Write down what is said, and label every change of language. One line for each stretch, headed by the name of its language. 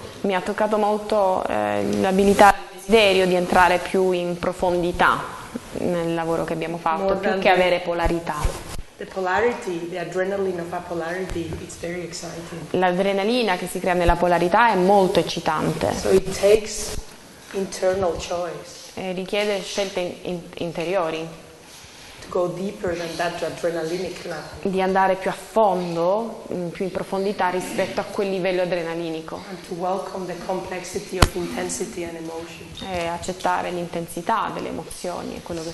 Italian: Mi ha toccato molto l'abilità, il desiderio di entrare più in profondità nel lavoro che abbiamo fatto,
English: more
Italian: più che avere polarità.
English: The polarity, the adrenaline of a polarity, it's very exciting.
Italian: L'adrenalina che si crea nella polarità è molto eccitante.
English: So it takes internal choice.
Italian: E richiede scelte interiori.
English: To go deeper than that adrenalinic level.
Italian: Di andare più a fondo, più in profondità rispetto a quel livello adrenalinico.
English: And to welcome the complexity of intensity and emotion.
Italian: E accettare l'intensità delle emozioni e quello che